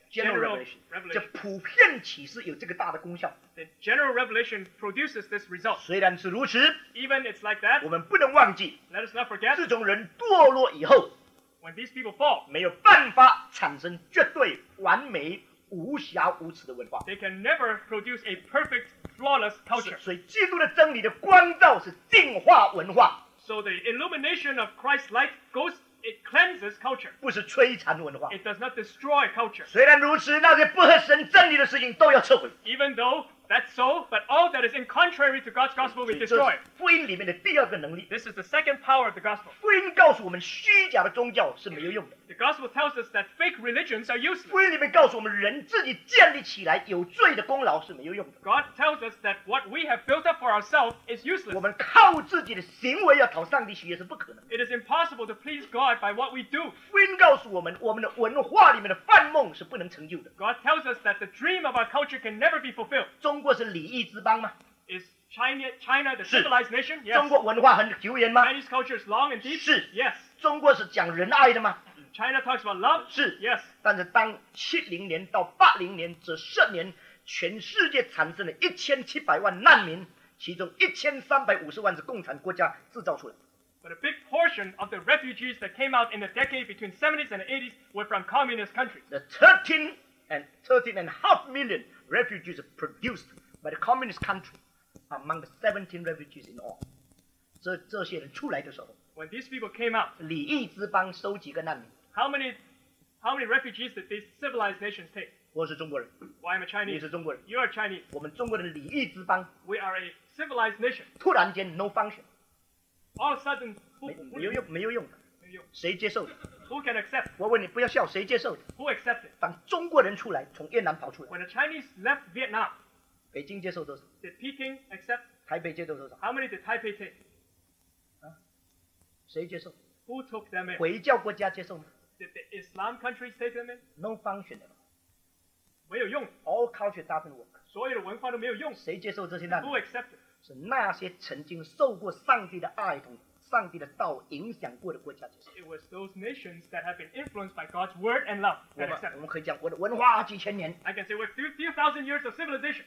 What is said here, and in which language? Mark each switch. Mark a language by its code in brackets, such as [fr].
[en] general revelation. [zh] 这普遍启示有这个大的功效。 [en] The general revelation produces this result. [zh] 虽然是如此， [en] even it's like that, [zh] 我们不能忘记， [en] let us not forget, [zh] 自从人堕落以后， [en] When these people fall, [zh] 没有办法产生绝对完美无瑕无疵的文化。 [en] They can never produce a perfect, flawless culture. [zh] 所以基督的真理的光照是净化文化。 [en] So the illumination of Christ's light goes, it cleanses culture. [zh] 不是摧残文化。 [en] It does not destroy culture. [zh] 虽然如此，那些不合神真理的事情都要撤回。 [en] Even though that's so, but all that is in contrary to God's gospel will be destroyed. [zh] 这是福音里面的第二个能力。 [en] This is the second power of the gospel. [zh] 福音告诉我们虚假的宗教是没有用的。 [en] The gospel tells us that fake religions are useless. [zh] 福音里面告诉我们人自己建立起来有罪的功劳是没有用的。 [en] God tells us that what we have built up for ourselves is useless. [zh] 我们靠自己的行为要讨上帝喜悦是不可能。 [en] It is impossible to please God by what we do. [zh] 福音告诉我们我们的文化里面的幻梦是不能成就的。 [en] God tells us that the dream of our culture can never be fulfilled. [zh] 中国是礼仪之邦吗？ [en] Is China the civilized nation? Yes. [zh] 中国文化很久远吗？ [en] Chinese culture is long and deep. [zh] 是。 [en] Yes. [zh] 中国是讲仁爱的吗？ [en] China talks about love. [zh] 是。 [en] Yes. [zh] 但是当70年到80年这10年全世界产生了1700万难民，其中1350万是共产国家制造出来的。 [en] But a big portion of the refugees that came out in the decade between 70s and 80s were from communist countries. The 13.5 million refugees produced by the communist country among the 17 refugees in all. [zh] 这些人出来的时候， [en] when these people came out, [zh] 礼仪之邦收几个难民。 [en] How many refugees did these civilized nations take? [zh] 我是中国人。 [en] Why am I Chinese? [zh] 你是中国人。 [en] You are Chinese. [zh] 我们中国人礼仪之邦。 [en] We are a civilized nation. [zh] 突然间 [en] no function. All of a sudden, [zh] 没有用的。没有。谁接受的？ [en] Who can accept? [zh] 我问你，不要笑，谁接受的？ [en] Who accepted? [zh] 当中国人出来，从越南跑出来。 [en] When the Chinese left Vietnam, [zh] 北京接受多少？ [en] Did Peking accept? [zh] 台北接受多少？ [en] How many did Taipei take? [zh] 谁接受？ [en] Who took them in? [zh] 回教国家接受吗？ [en] Did the Islam countries take them in? No function. [zh] 没有用。 [en] All culture doesn't work. [zh] 所有的文化都没有用。谁接受这些难民？ [en] Who accepted? [zh] 是那些曾经受过上帝的爱同上帝的道影响过的国家。 [en] It was those nations that have been influenced by God's word and love. [zh] 我们可以讲我的文化几千年。 [en] I can say we're few thousand years of civilization.